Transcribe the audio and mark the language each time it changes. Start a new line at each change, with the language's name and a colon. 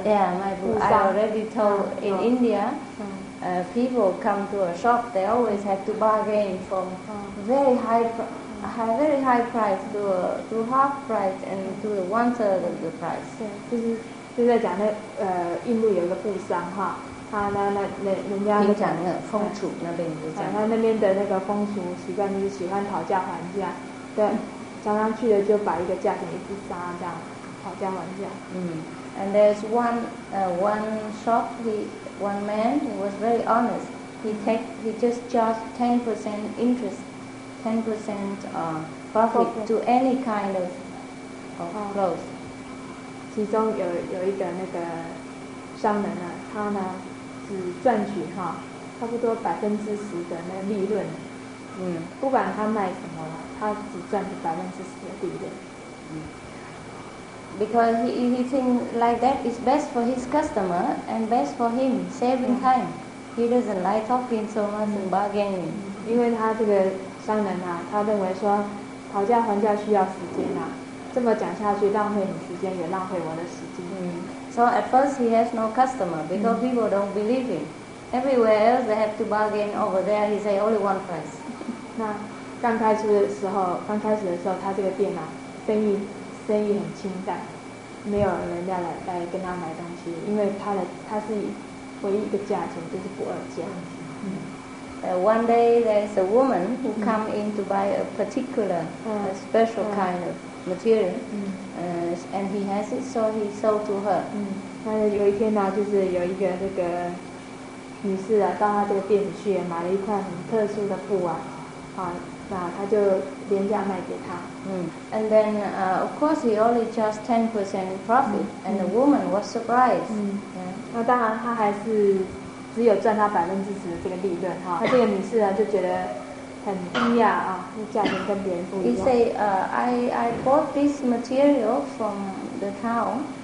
English: I already told in India, people come to a shop, they always have to bargain from very high price to half price and to the one third of the price.
Chinese: 就是在讲那印度有个布商哈，他那人家平常的风俗那边就讲，他那边的那个风俗习惯就是喜欢讨价还价，对。常常去的就把一个价钱一直杀这样，讨价还价。
English: And there's one man he was very honest. He just charged 10% interest, 10% profit to any kind of clothes.
Chinese: 其中有一个那个商人呢，他呢只赚取哈差不多10%的那个利润。不管他卖什么了，他只赚取10%的利润。
English: Because he think like that is best for his customer and best for him, saving time. He doesn't like talking so much and bargaining.
Chinese: 因为他这个商人啊，他认为说讨价还价需要时间啊，这么讲下去浪费你时间，也浪费我的时间。
English: So at first he has no customer because people don't believe him. Everywhere else they have to bargain over there. He say only one price.
Chinese: 那刚开始的时候，刚开始的时候，他这个店啊，生意很清淡，没有人家来跟他买东西，因为他是唯一一个价钱就是不二价。
English: One day there is a woman who come in to buy a particular, a special kind of material, and he has it, so he sold to her.
Chinese: 有一天呢、啊，就是有一个那个女士啊，到他这个店里去买了一块很特殊的布啊，啊。他就廉价卖给他。
English: And then, of course, he only charged 10% profit, and the woman was surprised.
Chinese: 那当然，他还是只有赚他10%的这个利润哈。他这个女士呢，就觉得很惊讶啊，那价钱跟别人不一样。
English: He say, I bought this material from the town.